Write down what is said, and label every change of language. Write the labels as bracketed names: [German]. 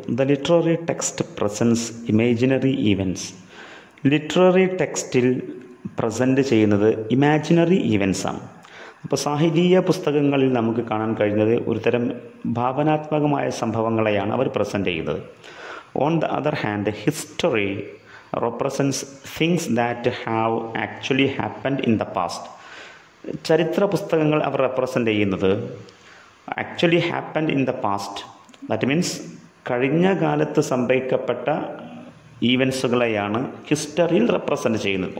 [English] The literary text presents imaginary events. [Malayalam] Literary ടെക്സ്റ്റിൽ present ചെയ്യുന്നത് imaginary ഈവൻസാണ്. അപ്പോൾ സാഹിതീയ പുസ്തകങ്ങളിൽ നമുക്ക് കാണാൻ കഴിഞ്ഞത് ഒരു തരം ഭാവനാത്മകമായ സംഭവങ്ങളെയാണ് അവർ പ്രസൻറ്റ് ചെയ്യുന്നത്. [English] On the other hand, history represents things that have actually happened in the past. [Malayalam] ചരിത്ര പുസ്തകങ്ങൾ അവർ റെപ്രസെൻ്റ് ചെയ്യുന്നത് [English] actually happened in the past, that means [Malayalam] കഴിഞ്ഞ കാലത്ത് സംഭവിക്കപ്പെട്ട ഈവൻസുകളെയാണ് ഹിസ്റ്ററിയിൽ റെപ്രസെൻ്റ് ചെയ്യുന്നത്.